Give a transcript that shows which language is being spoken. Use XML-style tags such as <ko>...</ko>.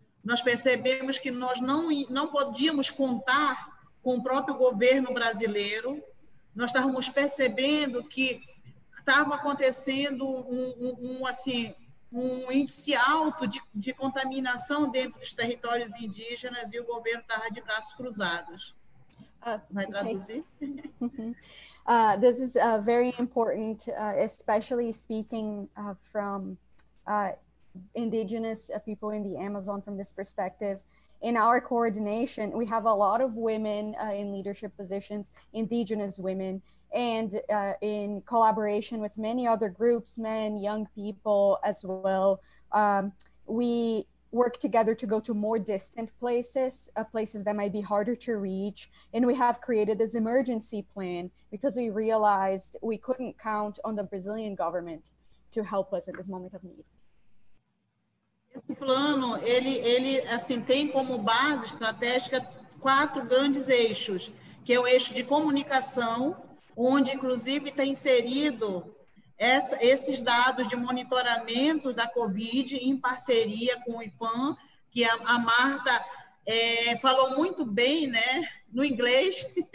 <pt>Nós percebemos que nós não podíamos contar com o próprio governo brasileiro. Nós estávamos percebendo que estava acontecendo um índice alto de contaminação dentro dos territórios indígenas e o governo estava de braços cruzados. Vai traduzir?</pt> <en>Okay. This is very important, especially speaking from indigenous people in the Amazon from this perspective. In our coordination, we have a lot of women in leadership positions, indigenous women, and in collaboration with many other groups, men, young people as well. We work together to go to more distant places, places that might be harder to reach. And we have created this emergency plan because we realized we couldn't count on the Brazilian government to help us in this moment of need.</en> <pt>Esse plano, ele assim, tem como base estratégica quatro grandes eixos, que é o eixo de comunicação, onde inclusive está inserido esses dados de monitoramento da COVID em parceria com o IPAM, que a Marta falou muito bem, né, no inglês,</pt>